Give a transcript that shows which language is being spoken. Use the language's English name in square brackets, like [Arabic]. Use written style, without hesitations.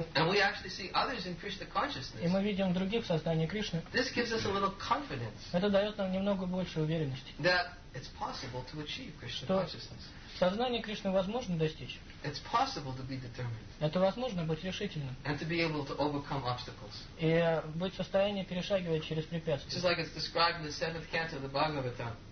[English] And we actually see others in Krishna consciousness. [Russian] И мы видим других в сознании Кришны. [English] This gives us a little confidence. [Russian] Это дает нам немного больше уверенности. [English] That it's possible to achieve Krishna consciousness. [Russian] Сознание Кришны возможно достичь. [English] It's possible to be determined. [Russian] Это возможно быть решительным. [English] And to be able to overcome obstacles. [Russian] И быть в состоянии перешагивать через препятствия. [English] Just like it's described in the seventh canto of the Bhagavatam.